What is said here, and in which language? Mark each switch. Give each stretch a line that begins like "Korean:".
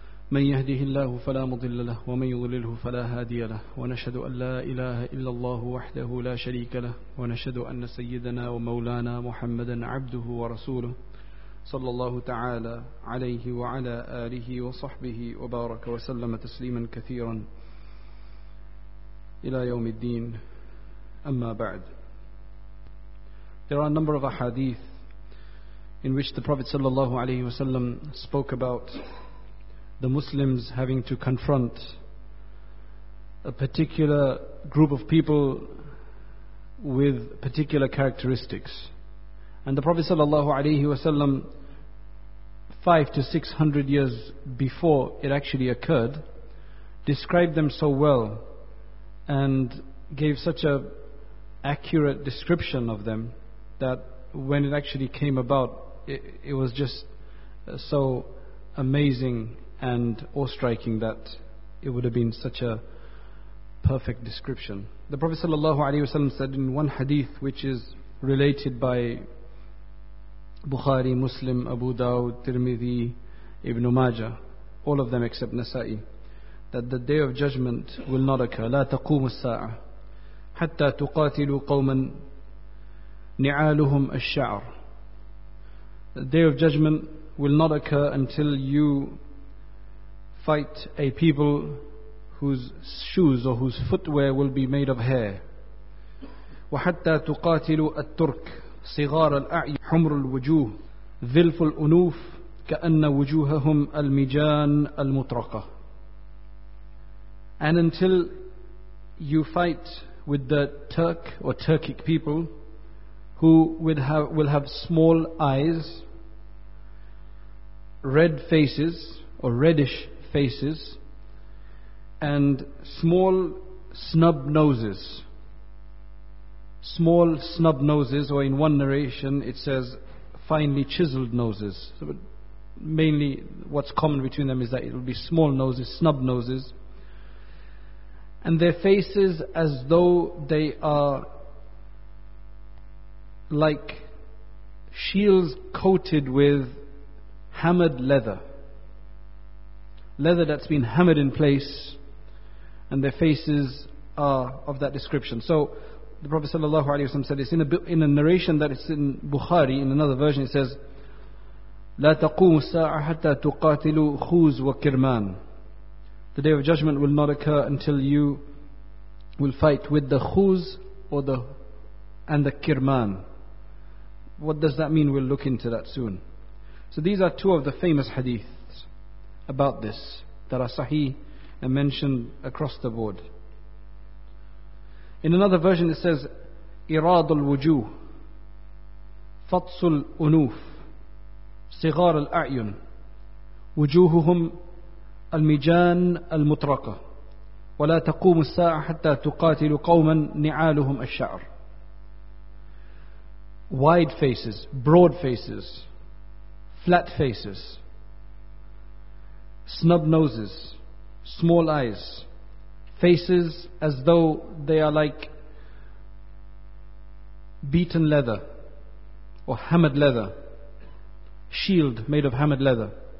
Arabic: من يهده الله فلا مضل له ومن يضلله فلا هادي له، ونشهد أن لا إله إلا الله وحده لا شريك له، ونشهد أن سيدنا ومولانا محمدا عبده ورسوله صلى الله تعالى عليه وعلى آله وصحبه وبارك وسلم تسليما كثيرا إلى يوم الدين. أما بعد،
English: there are a number of ahadith in which the Prophet صلى الله عليه وسلم spoke about the Muslims having to confront a particular group of people with particular characteristics. And the Prophet صلى الله عليه وسلم 500 to 600 years before it actually occurred, described them so well and gave such a accurate description of them that when it actually came about, it was just so amazing and awe-striking that it would have been such a perfect description. The Prophet sallallahu alaihi wasallam said in one hadith which is related by Bukhari, Muslim, Abu Dawud, Tirmidhi, Ibn Majah, all of them except Nasa'i, that the Day of Judgment will not occur.
Arabic: لا تقوم الساعة حتى تقاتلوا قوما نعالهم الشعر.
English: The Day of Judgment will not occur until you fight a people whose shoes or whose footwear will be made of hair.
Arabic: وحتى تقاتلوا الترك صغار الأعين حمر الوجوه ذلف الأنوف كأن وجوههم المجان المطرقة.
English: And until you fight with the Turk or Turkic people who will have small eyes, red faces or reddish faces, and small snub noses. Small snub noses, or in one narration it says finely chiseled noses. So mainly what's common between them is that it will be small noses, snub noses. And their faces as though they are like shields coated with hammered leather. Leather that's been hammered in place, and their faces are of that description. So the Prophet sallallahu alaihi wasallam said this in a narration that is in Bukhari. In another version, it says,
Arabic: "لا تقوم الساعة حتى تقاتلوا خوز وكرمان."
English: The Day of Judgment will not occur until you will fight with the khuz and the kirman. What does that mean? We'll look into that soon. So these are two of the famous hadiths about this that are sahih and mentioned across the board. In another version it says,
Arabic: إراد الوجوه فطس الأنوف صغار الأعين وجوههم المجان المطرقة ولا تقوم الساعة حتى تقاتل قوما نعالهم الشعر.
English: Wide faces, broad faces, flat faces, snub noses, small eyes, faces as though they are like beaten leather or hammered leather, shield made of hammered leather.